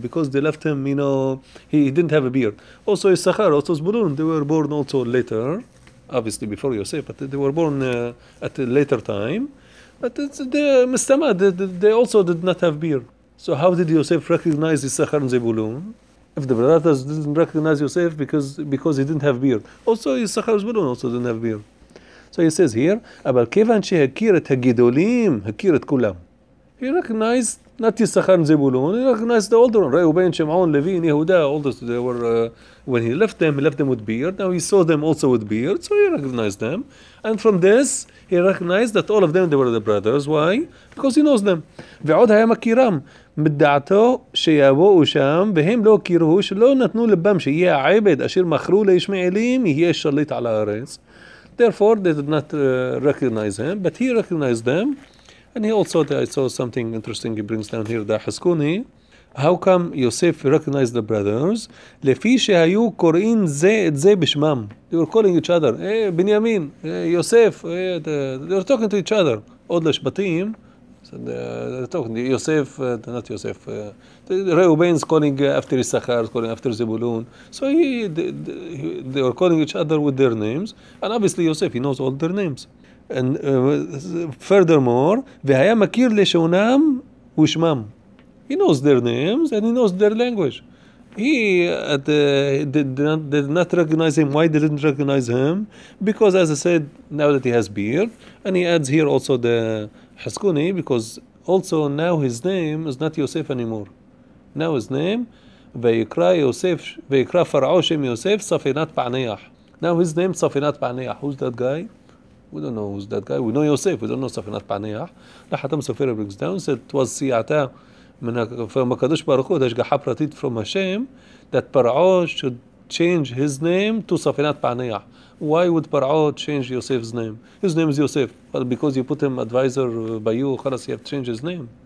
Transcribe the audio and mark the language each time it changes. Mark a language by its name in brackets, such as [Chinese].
[English] Because they left him, you know, he didn't have a beard. Also, Issachar, also Zbulun, they were born also later, obviously before Yosef, but they were born at a later time. But they also did not have beard. So how did Yosef recognize Issachar and Zbulun? If the brothers didn't recognize Yosef because he didn't have beard. Also, Issachar and Zbulun also didn't have beard. So he says here, [Hebrew] אבל כיוון שהכיר את הגדולים, הכיר את כולם. [English] He recognized not Yisachar and Zebulun, he recognized the older one. Reuben, Shimon, Levi, and Yehuda, oldest, they were, when he left them with beard. Now he saw them also with beard, so he recognized them. And from this, he recognized that all of them, they were the brothers. Why? Because he knows them. [Hebrew] ועוד היה מכירם, מדעתו שיבואו שם, והם לא הכירו, שלא נתנו לבם שיהיה העבד אשר מכרו לישמעאלים, יהיה שליט על הארץ. [English] Therefore, they did not recognize him, but he recognized them. And he also, I saw something interesting he brings down here, the Haskuni. How come Yosef recognized the brothers? [Hebrew] לפי שהיו קוראים זה את זה בשמם. [English] They were calling each other. Hey, Benjamin, Yosef. They were talking to each other. [Hebrew] עוד לשבטים. [English] They're talking to Yosef, not Yosef. Reuben's calling after Issachar, calling after Zebulun. So they were calling each other with their names. And obviously Yosef, he knows all their names. And furthermore, [Hebrew] והיה מכיר לשונם ושמם. [English] He knows their names and he knows their language. He did not recognize him. Why they didn't recognize him? Because, as I said, now that he has beard, and he adds here also the Haskuni, because also now his name is not Yosef anymore. Now his name, [Hebrew] ויקרא יוסף, ויקרא פרעו שם יוסף, ספינת פענח. Now his name, ספינת פענח. [English] Who's that guy? We don't know who's that guy. We know Yosef. We don't know Safinat Paneach. Lachatam Safira brings down. He said, it was Siyata from HaKadosh Baruch Hu, Hashgaha Pratit from Hashem, that Par'o should change his name to Safinat Paneach. Why would Par'o change Yosef's name? His name is Yosef. Well, because you put him advisor by you, خلاص, you have to change his name.